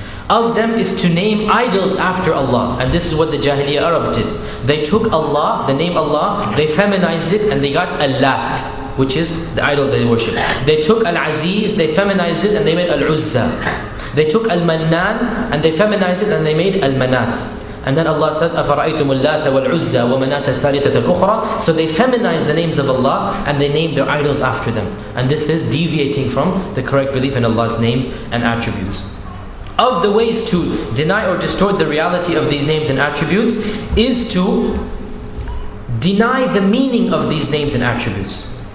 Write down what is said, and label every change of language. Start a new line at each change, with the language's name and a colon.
English: Of them is to name idols after Allah. And this is what the Jahiliyyah Arabs did. They took Allah, the name Allah, they feminized it and they got Al-Lat, which is the idol they worship. They took Al-Aziz, they feminized it and they made Al-Uzza. They took Al-Mannan and they feminized it and they made Al-Manat. And then Allah says,
Arabic: أَفَرَأَيْتُمُ اللَّاتَ وَالْعُزَّى وَمَنَاتَ الثَّالِثَةَ الْأُخْرَى.
English: So they feminize the names of Allah and they name their idols after them. And this is deviating from the correct belief in Allah's names and attributes. Of the ways to deny or distort the reality of these names and attributes is to deny the meaning of these names and attributes.